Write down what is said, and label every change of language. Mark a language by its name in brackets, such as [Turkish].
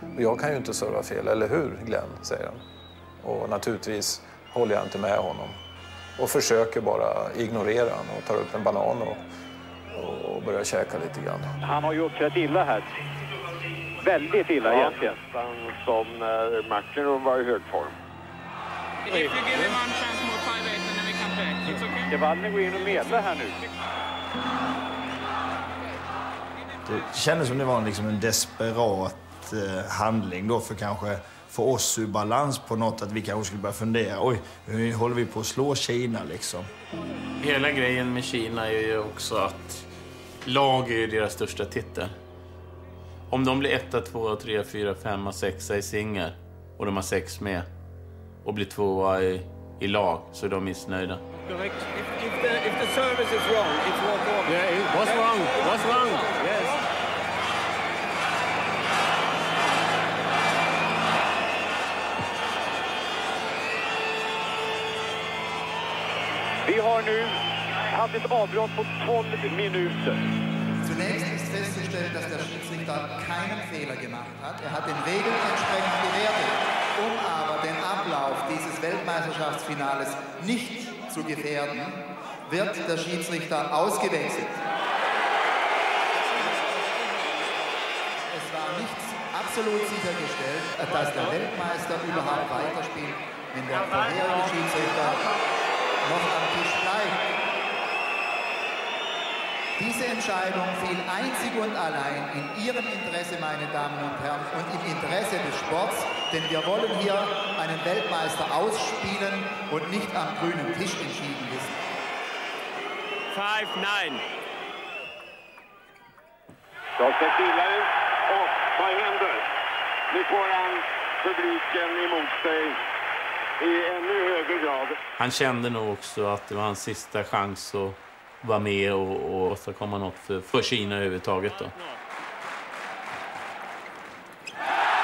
[Swedish] Och jag kan ju inte serva fel, eller hur, Glenn, säger han. Och naturligtvis håller jag inte med honom. Och försöker bara ignorera honom och tar upp en banan och börjar käka lite grann. Han har ju uppträtt illa här. Väldigt illa, ja, egentligen. Som när matchen var i hög form. [English] If you give him one chance more 5-8, then we come back. It's okay. [Swedish] Devalin går in och medlar här nu. Det kändes som det var liksom en desperat handling då för kanske för oss ur balans på något att vi kanske skulle börja fundera. Oj, hur håller vi på att slå Kina liksom? Hela grejen med Kina är ju också att lag är ju deras största titel. Om de blir 1, 2, 3, 4, 5, 6 i singel och de har 6 med och blir 2 i lag så är de missnöjda. [English] If the service is wrong, it's wrong. Yeah, what's wrong? What's wrong? Yes. [Swedish] Vi har nu haft ett avbrott på 12 minuter. [German] Zunächst ist festzustellen, dass der Schiedsrichter keinen Fehler gemacht hat. Er hat den Regeln entsprechend gewertet, um aber den Ablauf dieses Weltmeisterschaftsfinales nicht zu gefährden, wird der Schiedsrichter ausgewechselt. Es war nicht absolut sichergestellt, dass der Weltmeister überhaupt weiterspielt, wenn der vorherige Schiedsrichter noch am Tisch bleibt. Diese Entscheidung fiel einzig und allein in Ihrem Interesse, meine Damen und Herren, und im Interesse des Sports, denn wir wollen hier einen Weltmeister ausspielen und nicht am grünen Tisch entschieden wissen. 5-9. Das ist die Lösung. Und bei Händel, wir fahren [Swedish] publiken emot sig. Han kände nog också att det var hans sista chans att vara med och åstadkomma något för Kina överhuvudtaget då. 11-5.